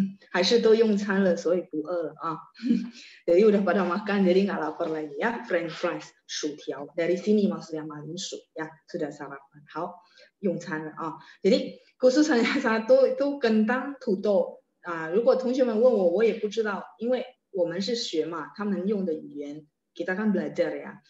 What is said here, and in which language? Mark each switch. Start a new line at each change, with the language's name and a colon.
Chinese: 还是都用餐了，所以不饿了啊。
Indonesian: Jadi udah pada makan, jadi nggak lapar lagi ya. French fries, 薯条. Dari sini maksudnya malingshu ya, sudah sarapan.
Chinese: 好, 用餐了啊。
Indonesian: Jadi khusus hanya satu itu kentang, 土豆.
Chinese: 啊, 如果同学们问我, 我也不知道, 因为我们是学嘛, 他们用的语言,
Indonesian: kita kan belajar ya.